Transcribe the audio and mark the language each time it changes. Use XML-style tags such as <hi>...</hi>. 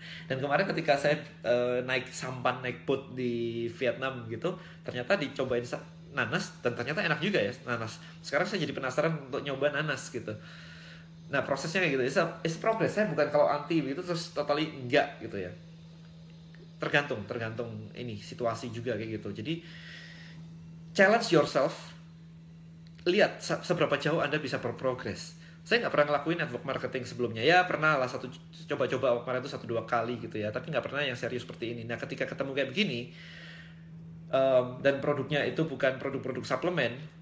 <id>Dan kemarin ketika saya naik boat di Vietnam gitu, ternyata dicobain nanas dan ternyata enak juga ya nanas. Sekarang saya jadi penasaran untuk nyoba nanas gitu. Nah, prosesnya kayak gitu.</id> <en>It's progress.</en> <id>Saya bukan kalau anti gitu terus</id> <en>totally</en> <id>enggak gitu ya. Tergantung ini situasi juga kayak gitu. Jadi</id> <en>challenge yourself.</en> <id>Lihat seberapa jauh Anda bisa berprogress. Saya enggak pernah ngelakuin network marketing sebelumnya. Ya, pernah lah satu coba-coba kemarin itu 1-2 kali gitu ya, tapi enggak pernah yang serius seperti ini. Nah, ketika ketemu kayak begini dan produknya itu bukan produk-produk suplemen.</id>